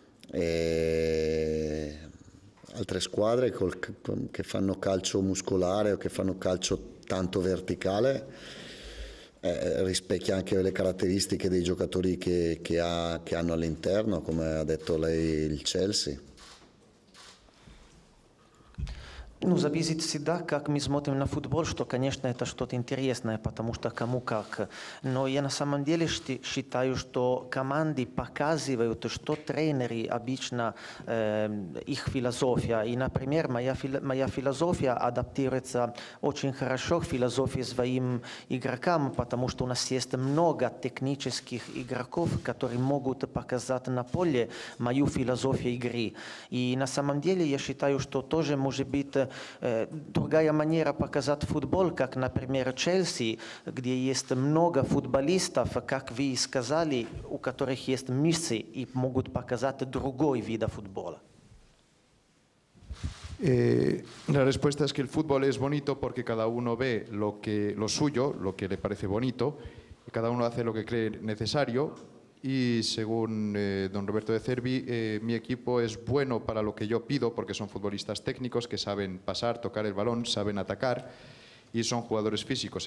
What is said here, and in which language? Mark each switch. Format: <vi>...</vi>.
<it>E altre squadre che fanno calcio muscolare o che fanno calcio tanto verticale, rispecchia anche le caratteristiche dei giocatori che hanno all'interno, come ha detto lei, il Chelsea.</it> <ru>Ну, зависит всегда, как мы смотрим на футбол, что, конечно, это что-то интересное, потому что кому как. Но я на самом деле считаю, что команды показывают, что тренеры обычно, их философия. И, например, моя философия адаптируется очень хорошо к философии своим игрокам, потому что у нас есть много технических игроков, которые могут показать на поле мою философию игры. И на самом деле я считаю, что тоже может быть другая манера показать футбол, как, например, Челси, где есть много футболистов, как вы сказали, у которых есть мышцы и могут показать другой вид футбола.</ru> <es>La respuesta es que el fútbol es bonito porque cada uno ve lo suyo, lo que le parece bonito, y cada uno hace lo que cree necesario. Y según don Roberto de Cervi, mi equipo es bueno para lo que yo pido, porque son futbolistas técnicos que saben pasar, tocar el balón, saben atacar y son jugadores físicos.</es>